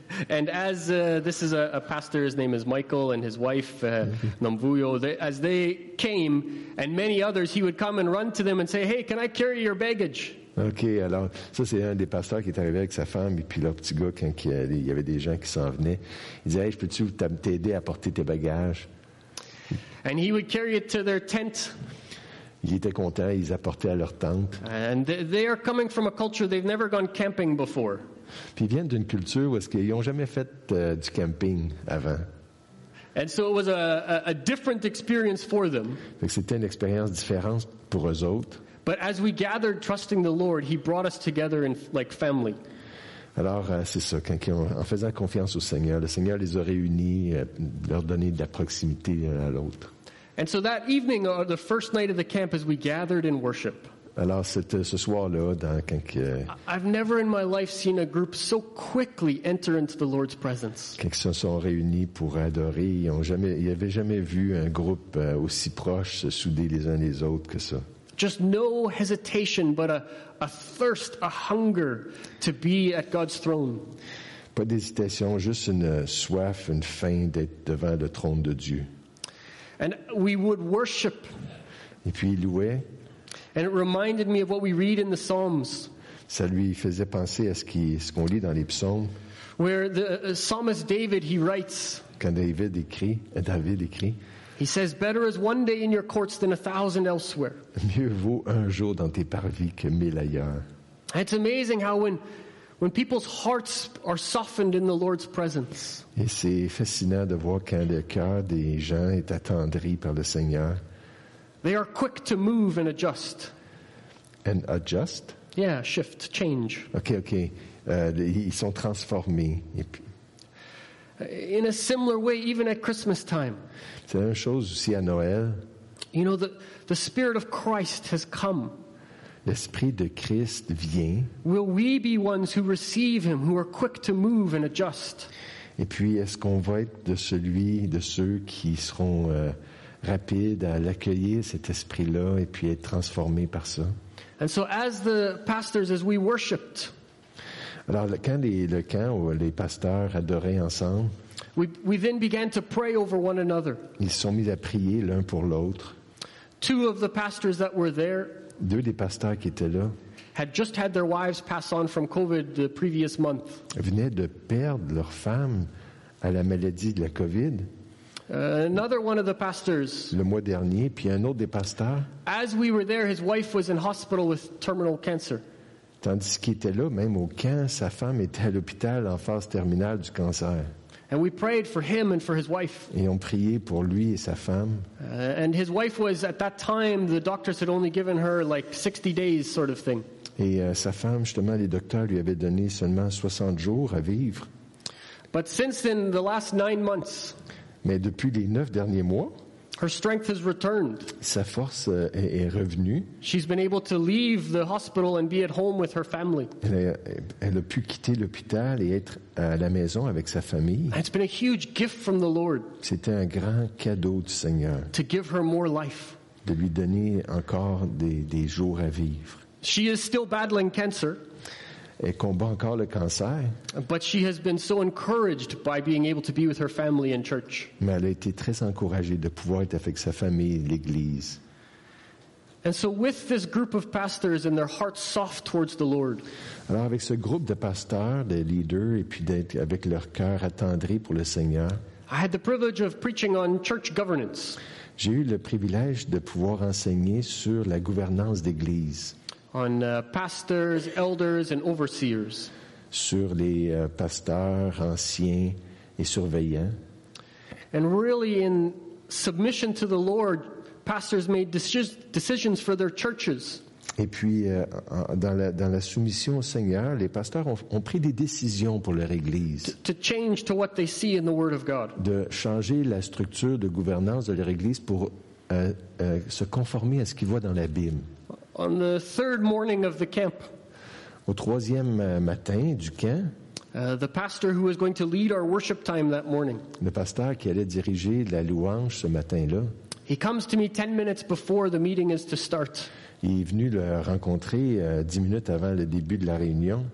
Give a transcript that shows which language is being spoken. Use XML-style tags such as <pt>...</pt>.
<en>And as this is a pastor, his name is Michael, and his wife, Namvuyo, as they came, and many others, he would come and run to them and say, hey, can I carry your baggage?</en> <fr>OK, alors ça c'est un des pasteurs qui est arrivé avec sa femme, et puis leur petit gars, quand il y avait des gens qui s'en venaient, il disait, hey, peux-tu t'aider à porter tes bagages?</fr> <en>And he would carry it to their tent.</en> <fr>Ils étaient contents, ils apportaient à leur tente.</fr> <en>And they are coming from a culture they've never gone camping before.</en> <fr>Puis ils viennent d'une culture où est-ce qu'ils n'ont jamais fait du camping avant.</fr> <en>And so it was a different experience for them.</en> <fr>Fait que c'était une expérience différente pour eux autres.</fr> <en>But as we gathered trusting the Lord, he brought us together in like family.</en> <fr>Alors c'est ça, quand ils ont, en faisant confiance au Seigneur, le Seigneur les a réunis, leur donné de la proximité l'un à l'autre.</fr> <en>And so that evening, or the first night of the camp, as we gathered in worship.</en> <fr>Alors c'était ce soir-là, quand</fr> <en>I've never in my life seen a group so quickly enter into the Lord's presence.</en> <fr>Quand ils se sont réunis pour adorer, ils n'avaient jamais vu un groupe aussi proche se souder les uns les autres que ça.</fr> <en>Just no hesitation, but a thirst, a hunger to be at God's throne.</en> <fr>Pas d'hésitation, juste une soif, une faim d'être devant le trône de Dieu.</fr> <en>And we would worship.</en> <fr>Et puis il louait.</fr> <en>And it reminded me of what we read in the Psalms.</en> <fr>Ça lui faisait penser à ce qu'on lit dans les psaumes.</fr> <en>Where the psalmist David, he writes.</en> <fr>Quand David écrit.</fr> <en>He says, "Better is one day in your courts than a thousand elsewhere."</en> <fr>Mieux vaut un jour dans tes parvis que mille ailleurs.</fr> <en>It's amazing how when people's hearts are softened in the Lord's presence.</en> <fr>Et c'est fascinant de voir quand le cœur des gens est attendri par le Seigneur.</fr> <en>They are quick to move and adjust. And adjust? Yeah, shift, change.</en> <fr>Okay. Ils sont transformés.</fr> <en>In a similar way, even at Christmas time.</en> <fr>C'est la même chose aussi à Noël.</fr> <en>You know, the Spirit of Christ has come.</en> <fr>L'Esprit de Christ vient.</fr> <en>Will we be ones who receive him, who are quick to move and adjust?</en> <fr>Et puis, est-ce qu'on va être de ceux qui seront rapides à l'accueillir, cet Esprit-là, et puis être transformés par ça?</fr> <en>And so, as the pastors, as we worshiped.</en> <fr>Alors, quand le camp où les pasteurs adoraient ensemble,</fr> <en>we then began to pray over one another.</en> <fr>Ils sont mis à prier l'un pour l'autre.</fr> <en>Two of the pastors that were there,</en> <fr>deux des pasteurs qui étaient là,</fr> <en>had just had their wives pass on from COVID the previous month.</en> <fr>Venaient de perdre leur femme à la maladie de la COVID.</fr> <en>Another one of the pastors.</en> <fr>Le mois dernier, puis un autre des pasteurs.</fr> <en>As we were there, his wife was in hospital with terminal cancer.</en> <fr>Tandis qu'il était là, même au camp, sa femme était à l'hôpital en phase terminale du cancer.</fr> <en>And we prayed for him and for his wife.</en> <fr>Et on priait pour lui et sa femme.</fr> <en>And his wife was, at that time, the doctors had only given her like 60 days sort of thing.</en> <fr>Et sa femme, justement, les docteurs lui avaient donné seulement 60 jours à vivre.</fr> <en>But since then, the last 9 months.</en> <fr>Mais depuis les 9 derniers mois.</fr> <en>Her strength has returned.</en> <fr>Sa force est revenue.</fr> <en>She's been able to leave the hospital and be at home with her family.</en> <fr>Elle a pu quitter l'hôpital et être à la maison avec sa famille.</fr> <en>It's been a huge gift from the Lord.</en> <fr>C'était un grand cadeau du Seigneur.</fr> <en>To give her more life.</en> <fr>De lui donner encore des jours à vivre.</fr> <en>She is still battling cancer.</en> <fr>Et combat encore le cancer.</fr> <en>But she has been so encouraged by being able to be with her family in church.</en> <fr>Mais elle a été très encouragée de pouvoir être avec sa famille, l'église.</fr> <en>And so with this group of pastors and their hearts soft towards the Lord.</en> <fr>Alors avec ce groupe de pasteurs, de leaders, et puis d'être avec leur cœur attendri pour le Seigneur.</fr> <en>I had the privilege of preaching on church governance.</en> <fr>J'ai eu le privilège de pouvoir enseigner sur la gouvernance d'église.</fr> <en>On pastors, elders and overseers.</en> <fr>Sur les pasteurs, anciens et surveillants.</fr> <en>And really in submission to the Lord, pastors made decisions for their churches.</en> <fr>Et puis dans la soumission au Seigneur, les pasteurs ont pris des décisions pour leur église.</fr> <en>To change to what they see in the word of God.</en> <fr>De changer la structure de gouvernance de leur église pour se conformer à ce qu'ils voient dans la Bible.</fr> <en>On the third morning of the camp.</en> <fr>Au troisième matin du camp.</fr> <en>The pastor who was going to lead our worship time that morning.</en> <fr>Le pasteur qui allait diriger la louange ce matin-là.</fr> <en>He comes to me 10 minutes before the meeting is to start.</en> <fr>Il est venu le rencontrer 10 minutes avant le début de la réunion.</fr>